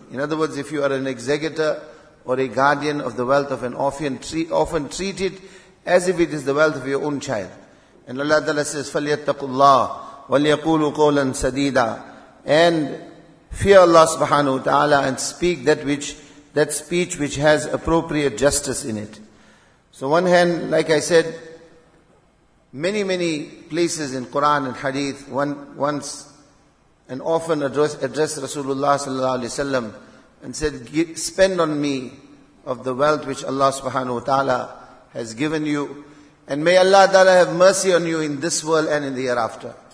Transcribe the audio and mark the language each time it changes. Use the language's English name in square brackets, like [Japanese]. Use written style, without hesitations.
[English] In other words, if you are an executor or a guardian of the wealth of an orphan, treat it as if it is the wealth of your own child. And Allah Ta'ala says, [Arabic] فَلْيَتَّقُوا اللَّهُ وَلْيَقُولُوا قَوْلًا سَدِيدًا. [English] And fear Allah subhanahu wa ta'ala and speak that speech which has appropriate justice in it. So one hand, like I said, many, many places in Quran and Hadith, once and often addressed Rasulullah sallallahu alayhi wa sallam and said, spend on me of the wealth which Allah subhanahu wa ta'ala has given you, and may Allah ta'ala have mercy on you in this world and in the hereafter.